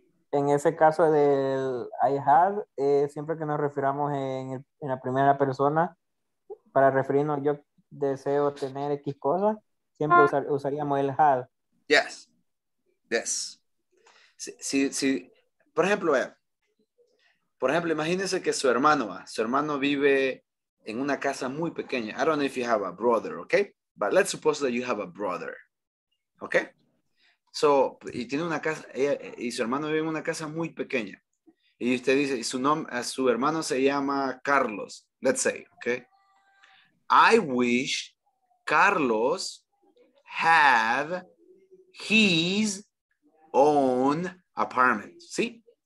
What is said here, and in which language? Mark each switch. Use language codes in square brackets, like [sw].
[es] En ese caso del I have, siempre que nos refiramos en la primera persona, para referirnos yo deseo tener X cosas, siempre usaríamos el have. [en] Yes. Yes. [es] Si, por ejemplo, imagínense que su hermano vive en una casa muy pequeña. [en] I don't know if you have a brother, okay? But let's suppose that you have a brother, okay? [es] So, y tiene una casa, y su hermano vive en una casa muy pequeña. Y usted dice, y su hermano se llama Carlos, [en] let's say, okay? I wish Carlos have his own apartment, [es] ¿sí?